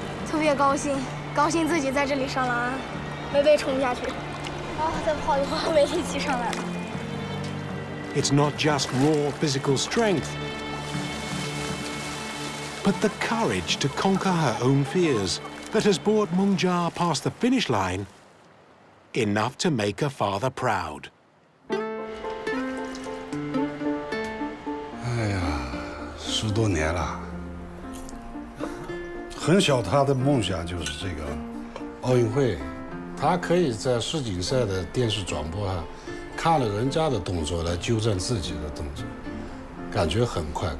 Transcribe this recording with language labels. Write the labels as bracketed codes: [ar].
[zh] 特别高兴，高兴自己在这里上了岸，没被冲下去。啊，再跑的话没力气上来了。 [en] It's not just raw physical strength, but the courage to conquer her own fears that has brought Meng Jia past the finish line enough to make her father proud. [zh] 哎呀，十多年了，很小他的梦想就是这个奥运会，他可以在世锦赛的电视转播啊看了人家的动作来纠正自己的动作，感觉很快。